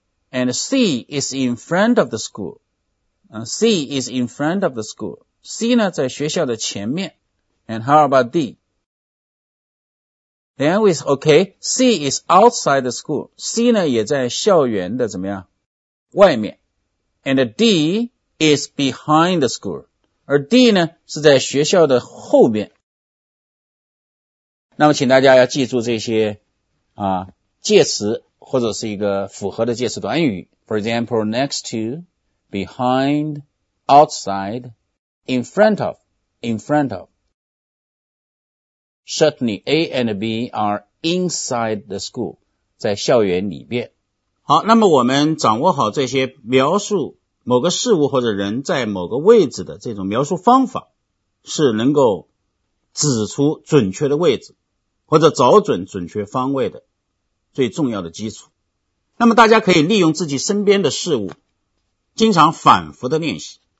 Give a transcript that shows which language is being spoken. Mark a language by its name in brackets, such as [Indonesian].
[English] And C is in front of the school. C is in front of the school. [Chinese] C 呢在学校的前面。 [English] And how about D? Then we say, okay, C is outside the school. [Chinese] C 呢也在校园的怎么样外面。 [English] And D is behind the school. [Chinese] 而 D 呢是在学校的后面。那么请大家要记住这些介词或者是一个符合的介词短语。 [English] For example, next to, behind, outside, in front of. Certainly, A and B are inside the school, [Chinese] 在校园里面。好，那么我们掌握好这些描述某个事物或者人在某个位置的这种描述方法，是能够指出准确的位置，或者找准准确方位的最重要的基础。那么大家可以利用自己身边的事物，经常反复的练习。